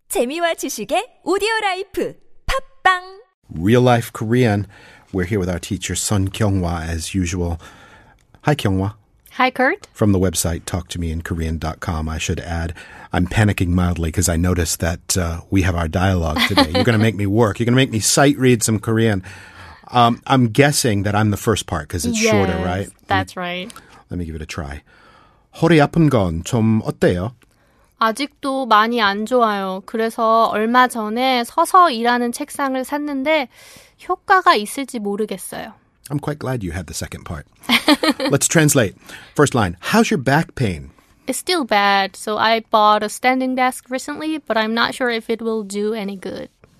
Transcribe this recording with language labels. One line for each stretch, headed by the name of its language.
Korean: 재미와 지식의 오디오라이프 팝빵
English: Real Life Korean. We're here with our teacher Sun Kyung-hwa as usual. Hi, Kyung-hwa. Hi, Kurt. From the website talktomeinkorean.com, I should add, I'm panicking mildly because I noticed that we have our dialogue today. You're going to make me work. You're going to make me sight read some Korean. I'm guessing that I'm the first part because it's shorter, right? That's right. Let me give it a try.
Korean: 허리 아픈 건 좀 어때요? 아직도 많이 안 좋아요. 그래서 얼마 전에 서서 일하는 책상을 샀는데 효과가 있을지 모르겠어요.
English: I'm quite glad you had the second part. Let's translate. First line, how's your back pain? It's still bad, so I bought a standing desk recently, but I'm not sure if it will do any good.